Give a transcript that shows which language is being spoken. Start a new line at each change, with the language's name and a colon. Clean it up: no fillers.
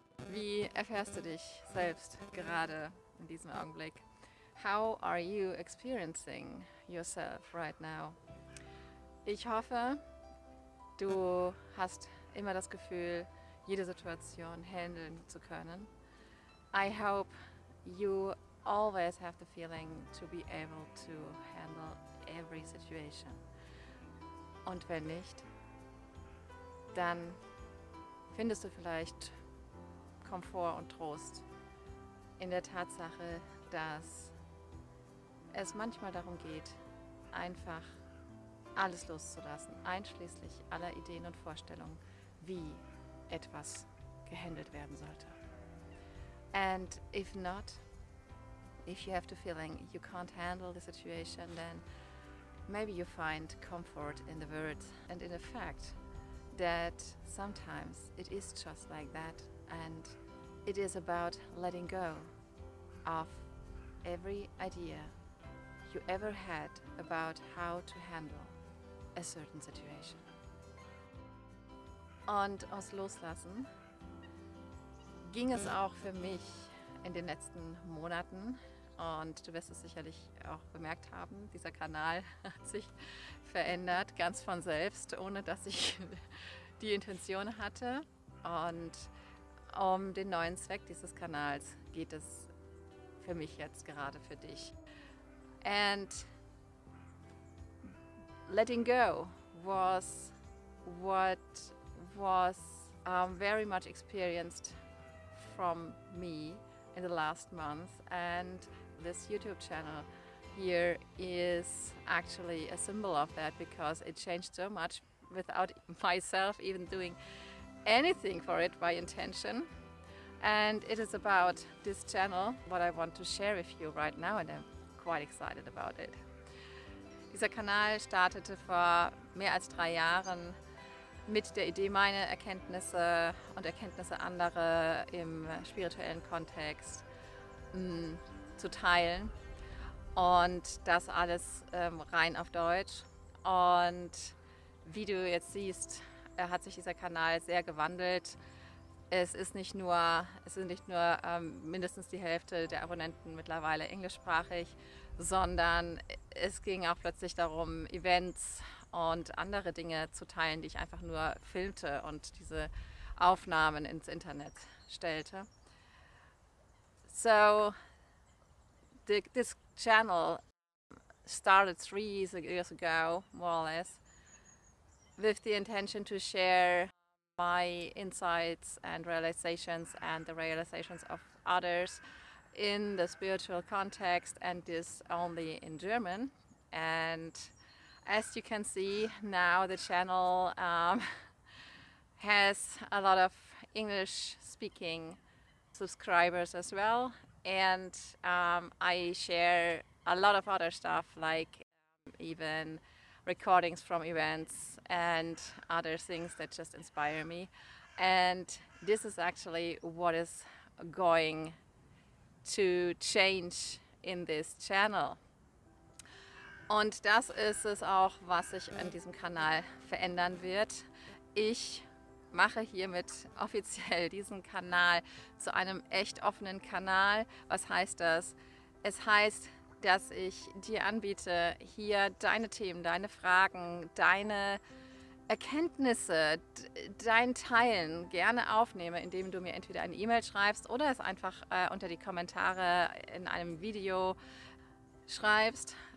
German: Wie erfährst du dich selbst gerade in diesem Augenblick?
English: How are you experiencing yourself right now?
German: Ich hoffe, du hast immer das Gefühl, jede Situation handeln zu können.
English: I hope you always have the feeling to be able to handle every situation.
German: Und wenn nicht, dann findest du vielleicht Komfort und Trost in der Tatsache, dass es manchmal darum geht, einfach alles loszulassen, einschließlich aller Ideen und Vorstellungen, wie etwas gehandelt werden sollte.
English: And if not, if you have the feeling you can't handle the situation, then maybe you find comfort in the words and in the fact that sometimes it is just like that, and it is about letting go of every idea you ever had about how to handle a certain situation.
German: Und aus Loslassen ging es auch für mich in den letzten Monaten. Und du wirst es sicherlich auch bemerkt haben, dieser Kanal hat sich verändert, ganz von selbst, ohne dass ich die Intention hatte. Und um den neuen Zweck dieses Kanals geht es für mich jetzt gerade für dich.
English: And letting go was what was very much experienced from me in the last month. And this YouTube channel here is actually a symbol of that, because it changed so much without myself even doing anything for it by intention. And it is about this channel, what I want to share with you right now, and I'm quite excited about it.
German: Dieser Kanal startete vor mehr als 3 Jahren mit der Idee, meine Erkenntnisse und Erkenntnisse anderer im spirituellen Kontext zu teilen, und das alles rein auf Deutsch. Und wie du jetzt siehst, hat sich dieser Kanal sehr gewandelt. Es sind nicht nur mindestens die Hälfte der Abonnenten mittlerweile englischsprachig, sondern es ging auch plötzlich darum, Events und andere Dinge zu teilen, die ich einfach nur filmte und diese Aufnahmen ins Internet stellte.
English: So, this channel started 3 years ago, more or less, with the intention to share my insights and realizations and the realizations of others in the spiritual context, and this only in German. And as you can see now, the channel has a lot of English speaking subscribers as well, and I share a lot of other stuff, like even recordings from events and other things that just inspire me. And this is actually what is going to change in this channel.
German: Und das ist es auch, was sich in diesem Kanal verändern wird. Ich mache hiermit offiziell diesen Kanal zu einem echt offenen Kanal. Was heißt das? Es heißt, dass ich dir anbiete, hier deine Themen, deine Fragen, deine Erkenntnisse, dein Teilen gerne aufnehme, indem du mir entweder eine E-Mail schreibst oder es einfach unter die Kommentare in einem Video schreibst.